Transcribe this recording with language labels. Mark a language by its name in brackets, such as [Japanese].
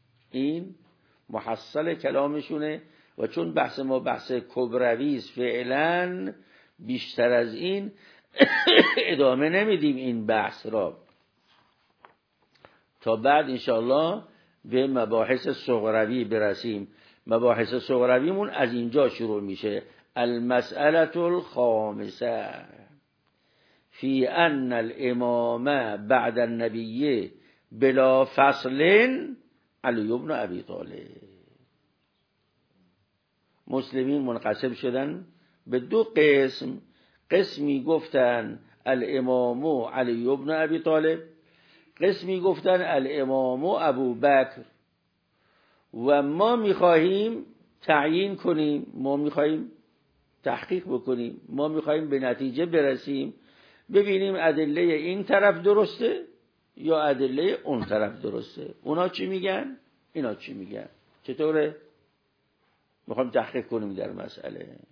[Persian] این محصل کلامشونه. و چون بحث ما بحث کبرویز فعلا، بیشتر از این ادامه نمیدیم این بحث را، تا بعد انشاءالله به مباحث صغروی برسیم. مباحث صغرویمون از اینجا شروع میشه. [Arabic] المسألة الخامسة في أن الإمام بعد النبي بلا فصل علي بن أبي طالب. [Persian] مسلمين منقسم شدن به دو قسم. قسمی گفتن الإمام علي بن أبي طالب، قسمی گفتن الإمام أبو بكر. و ما میخواهیم تعیین کنیم، ما میخواهیم تحقیق بکنیم، ما میخواییم به نتیجه برسیم، ببینیم ادله این طرف درسته یا ادله اون طرف درسته. اونا چی میگن؟ اینا چی میگن؟ چطوره؟ میخواییم تحقیق کنیم در مسئله.